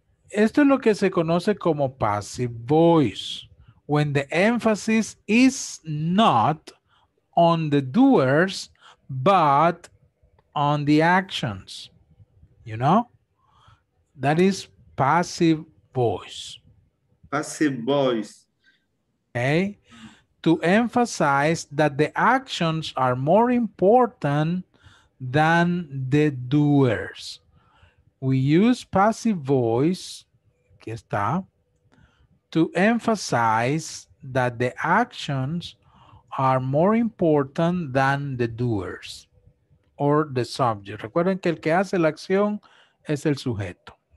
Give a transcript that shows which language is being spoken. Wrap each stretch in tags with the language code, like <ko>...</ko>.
<es>Esto es lo que se conoce como passive voice.</es> <en>When the emphasis is not on the doers, but on the actions. You know? That is passive voice. Passive voice. Okay. To emphasize that the actions are more important than the doers. We use passive voice,</en> <es>aquí está,</es> <en>to emphasize that the actions are more important than the doers or the subject.</en> <es>Recuerden que el que hace la acción es el sujeto.</es>